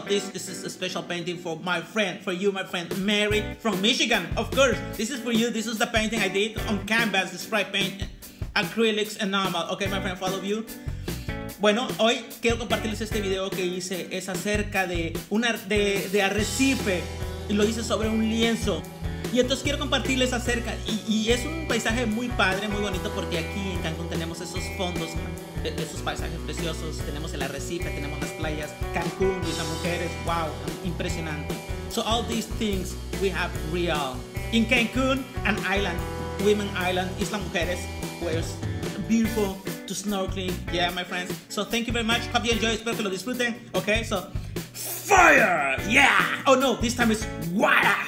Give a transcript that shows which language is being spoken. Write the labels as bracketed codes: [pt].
[en] This is a special painting for my friend, for you, my friend, Mary from Michigan. Of course, this is for you. This is the painting I did on canvas, the spray paint, acrylics, enamel. Okay, my friend, follow you. [es] Bueno, hoy quiero compartirles este video que hice. Es acerca de de arrecife. Lo hice sobre un lienzo. Y entonces quiero compartirles acerca, y es un paisaje muy padre, muy bonito, porque aquí en Cancún tenemos esos fondos, esos paisajes preciosos, tenemos el arrecife, tenemos las playas, Cancún y las mujeres, wow, impresionante. [en] So all these things we have real. In Cancún, an island, women island, Isla Mujeres, where it's beautiful to snorkeling, yeah, my friends. So thank you very much, hope you enjoy, [es] espero que lo disfruten, [en] okay, so fire, yeah, oh no, this time it's water.